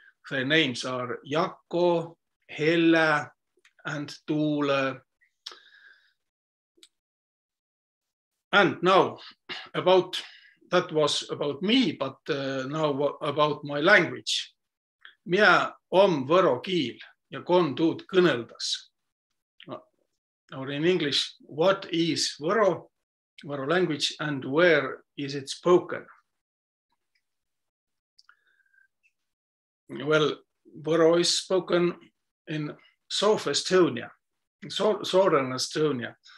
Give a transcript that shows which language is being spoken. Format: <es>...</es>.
<en>Their names are Jakko, Helle, and Tuule. And now that was about me, but now about my language.</en> <vro>Mia om võro kiil ja kon tuud kõneldas.</vro> <en>Or in English, what is võro language and where is it spoken? Well, võro is spoken in South Estonia, southern Estonia.</en>